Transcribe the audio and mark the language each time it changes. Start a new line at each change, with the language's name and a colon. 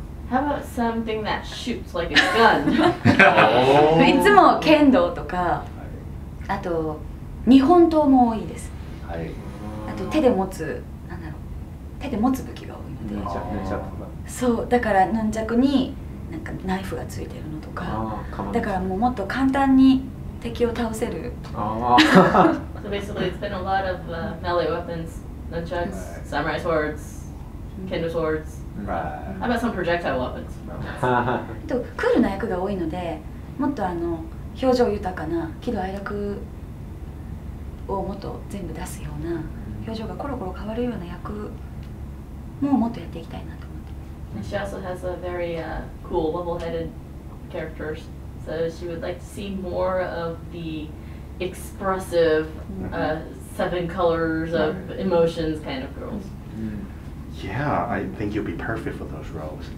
English: How about something that shoots like a gun?
Japanese: いつも剣道とか、あと日本刀も多いです。あと手で持つ、なんだろう、手で持つ武器が多いので、そうだからヌンチャクになんかナイフがついてるのとか、だからもうもっと簡単に敵を倒せる。
English: So basically it's been a lot of melee weapons, nunchucks, samurai swords, kendo swords. How about some projectile weapons?
Japanese: とクールな役が多いので、もっとあの表情豊かな喜怒哀楽をもっと全部出すような、表情がコロコロ変わるような役ももっとやっていきたいなと思って。
English: And she also has a very cool, level-headed character. So she would like to see more of the expressive seven colors of emotions kind of girls. Yeah, I think you'll be perfect for those roles.